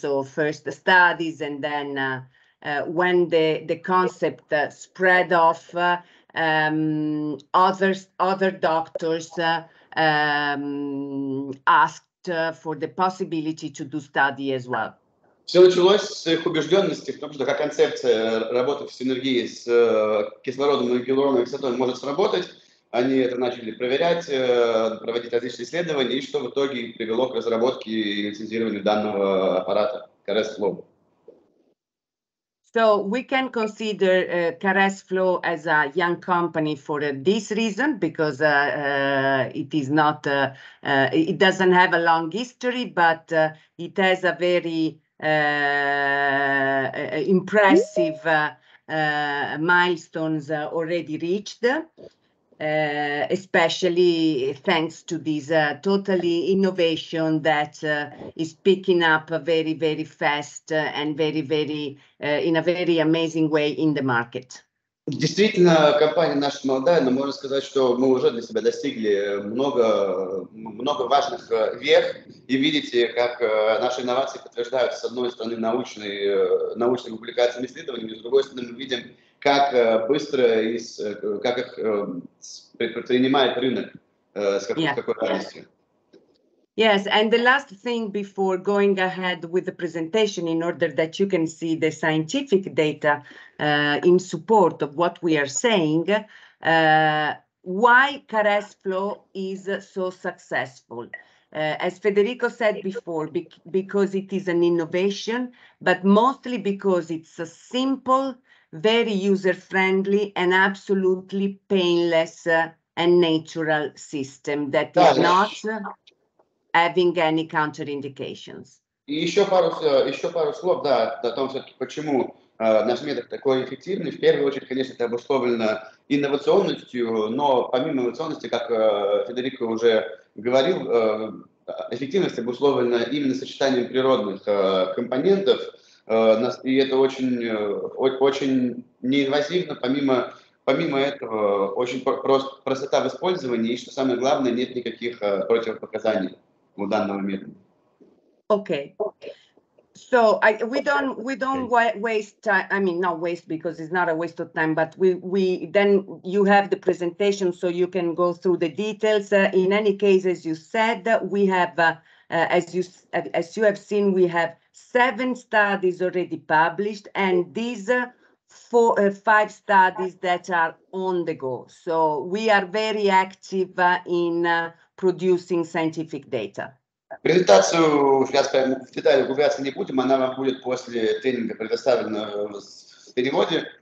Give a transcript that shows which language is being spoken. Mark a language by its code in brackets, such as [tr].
[en] So first the studies and then when the concept spread off, other doctors asked for the possibility to do study as well. [ru] Все началось с их убежденности в том, что как концепция работы в синергии с кислородом и гиалуроновой кислотой может сработать. Они это начали проверять, проводить различные исследования, и что в итоге привело к разработке и лицензированию данного аппарата CARES-FLOW. [en] So we can consider CARES FLOW as a young company for this reason, because it is not, it doesn't have a long history, but it has a very impressive milestones already reached, especially thanks to this totally innovation that is picking up very, very fast and very, very, in a very amazing way in the market. [ru] Действительно, компания наша молодая, но можно сказать, что мы уже для себя достигли много, много важных вех, и видите, как наши инновации подтверждаются, с одной стороны, научными публикациями, исследованиями, с другой стороны, мы видим, как быстро и как их предпринимает рынок, с какой, yeah, какой радостью. [en] Yes, and the last thing before going ahead with the presentation, in order that you can see the scientific data in support of what we are saying, why CARES FLOW is so successful. As Federico said before, because it is an innovation, but mostly because it's a simple, very user-friendly and absolutely painless and natural system that is not having any counterindications. [ru] И еще пару слов, да, о том, почему наш метод такой эффективный. В первую очередь, конечно, это обусловлено инновационностью, но помимо инновационности, как Федерико уже говорил, эффективность обусловлена именно сочетанием природных компонентов, и это очень неинвазивно, помимо этого, очень просто простота в использовании, и что самое главное, нет никаких противопоказаний. [en] Okay, so we don't waste, because it's not a waste of time, but we then you have the presentation, so you can go through the details. In any case, as you said, we have as you have seen, we have 7 studies already published, and these 4 or 5 studies that are on the go, so we are very active in producing scientific data. [ru] Презентацию сейчас прямо в детали углубляться не будем, она вам будет после тренинга предоставлена в переводе.